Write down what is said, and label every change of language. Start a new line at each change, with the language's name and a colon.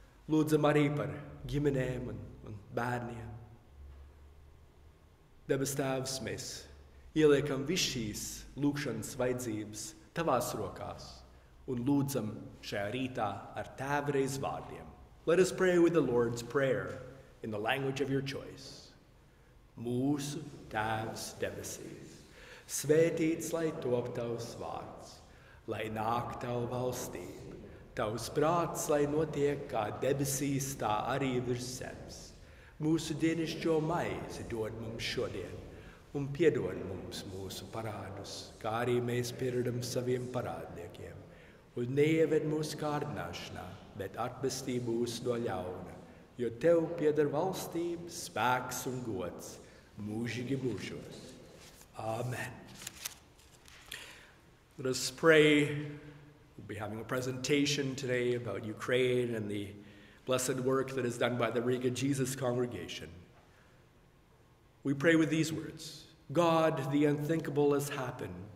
Latvian: Lūdzam arī par ģimenēm un bērniem. Debes Tēvs, mēs ieliekam visu šīs lūkšanas vajadzības tavās rokās un lūdzam šajā rītā ar Tēvreiz vārdiem.
English: Let us pray with the Lord's Prayer in the language of your choice.
Latvian: Mūsu Tēvs debesīs, svētīts lai top tavs vārds, lai nāk tavu valstī. Tavs prāts, lai notiek kā debesīs, tā arī virs zemes. Mūsu dienišķo maizi dod mums šodien un piedod mums mūsu parādus, kā arī mēs piedodam saviem parādniekiem. Un neieved mūsu kārdināšanā, bet atpestī mūs no ļauna, jo tev pieder valstība, spēks un gods mūžīgi mūžos. Amen.
English: Let us pray. We'll be having a presentation today about Ukraine and the blessed work that is done by the Riga Jesus Congregation. We pray with these words. God, the unthinkable has happened.